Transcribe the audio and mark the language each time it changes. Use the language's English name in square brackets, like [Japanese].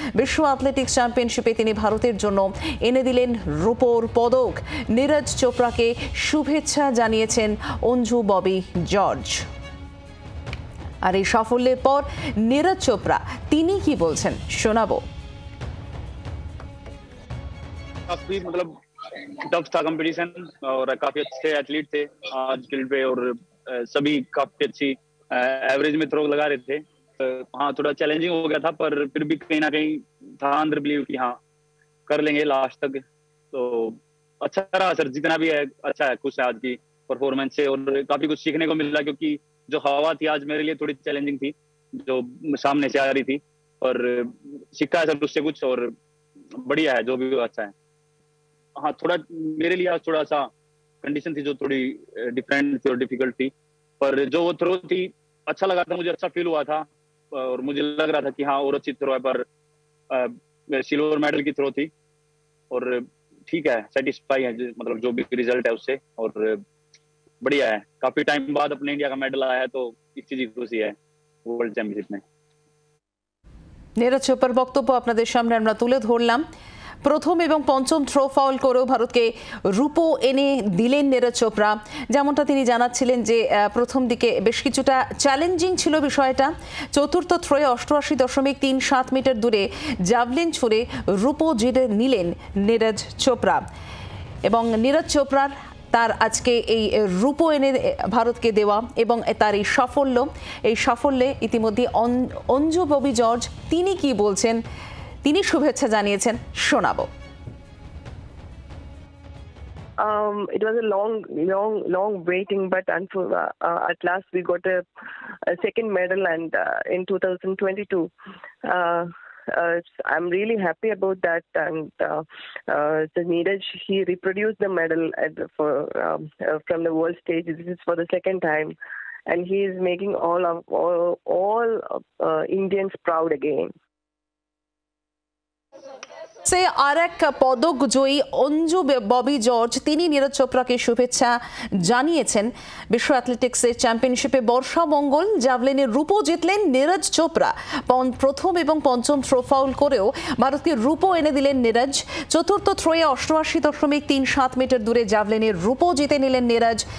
[Bangla] বিশ্ব অ্যাথলেটিক্স চ্যাম্পিয়নশিপে তিনি ভারতের জন্য এনে দিলেন রুপোর পদক। নীরজ চোপড়াকে শুভেচ্ছা জানিয়েছেন অঞ্জু ববি জর্জ। আর এই সাফল্যের পর নীরজ চোপড়া তিনি কি বলছেন শোনাবো। [Hindi] काफी मतलब टफ था कंपटीशन और काफी अच्छे एथलीट थे आज फील्ड पे और सभी काफी अच्छी एवरेज में थ्रो लगा रहे थे। हाँ थोड़ा चैलेंजिंग हो गया था पर फिर भी कहीं ना कहीं था अंदर बिलीव कि हाँ कर लेंगे लास्ट तक, तो अच्छा रहा सर, जितना भी है अच्छा है, खुश है आज की परफॉर्मेंस से और काफी कुछ सीखने को मिला क्योंकि जो हवा थी आज मेरे लिए थोड़ी चैलेंजिंग थी जो सामने से आ रही थी और सीखा है सर उससे कुछ और बढ़िया है जो भी अच्छा है। हाँ थोड़ा मेरे लिए आज थोड़ा सा कंडीशन थी जो थोड़ी डिफरेंट थी और डिफिकल्ट थी पर जो वो थ्रो थी अच्छा लगा था, मुझे अच्छा फील हुआ था और मुझे लग रहा था कि हाँ और अच्छी थ्रो है पर सिल्वर मेडल की थ्रो थी और ठीक है, सेटिस्फाई है मतलब जो भी रिजल्ट है उससे और बढ़िया है। काफी टाइम बाद अपने इंडिया का मेडल आया है तो इस चीज की खुशी है वर्ल्ड चैंपियनशिप में। [Bangla] নীরজ চোপড়ার বক্তব্য আপনাদের সামনে আমরা তুলে ধরলাম। প্রথম এবং পঞ্চম থ্রো ফাউল করেও ভারতকে রুপো এনে দিলেন নীরজ চোপড়া। যেমনটা তিনি জানাচ্ছিলেন যে প্রথম দিকে বেশ কিছুটা চ্যালেঞ্জিং ছিল বিষয়টা, চতুর্থ থ্রোয়ে 88.37 মিটার দূরে জ্যাভলিন ছুড়ে রুপো জিতে নিলেন নীরজ চোপড়া। এবং নীরজ চোপড়ার তার আজকে এই রুপো এনে ভারতকে দেওয়া এবং তার এই সাফল্য, এই সাফল্যে ইতিমধ্যে অঞ্জু ববি জর্জ তিনি কি বলছেন, তিনি শুভেচ্ছা জানিয়েছেন শোনাবো। [English] It was a long waiting, but at last we got a second medal and in 2022 I'm really happy about that, and the Neeraj, he reproduced the medal from the world stage. This is for the second time, and he is making all Indians proud again. [Bangla] সে আর এক পদক জয়ী Anju Bobby George, তিনি নীরজ চোপড়াকে শুভেচ্ছা জানিয়েছেন। বিশ্ব অ্যাথলেটিক্সের চ্যাম্পিয়নশিপে বর্ষা মঙ্গল, জ্যাভলিনে রুপো জিতলেন নীরজ চোপড়া, প্রথম এবং পঞ্চম থ্রো ফাউল করেও ভারতকে রুপো এনে দিলেন নীরজ, চতুর্থ থ্রোয়ে 88.37 মিটার দূরে জ্যাভলিনে রুপো জিতে নিলেন নীরজ।